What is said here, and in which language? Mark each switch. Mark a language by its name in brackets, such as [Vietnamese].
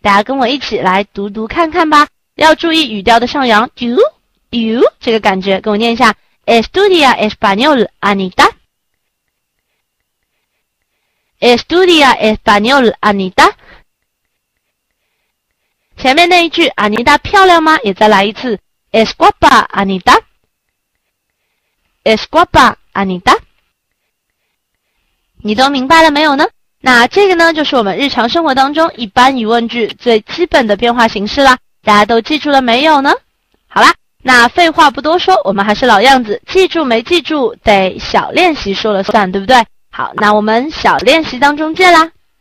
[Chinese] 大家跟我一起来读读看看吧，要注意语调的上扬 you you 这个感觉，跟我念一下 [Spanish] Estudia Español Anita， Estudia Español Anita。 [Chinese] 前面那一句 Anita 漂亮吗？也再来一次 [Spanish] Es guapa Anita，Es guapa Anita。 [Chinese] 你都明白了没有呢？那这个呢，就是我们日常生活当中一般疑问句最基本的变化形式啦。大家都记住了没有呢？好啦，那废话不多说，我们还是老样子，记住没记住得小练习说了算，对不对？好，那我们小练习当中见啦。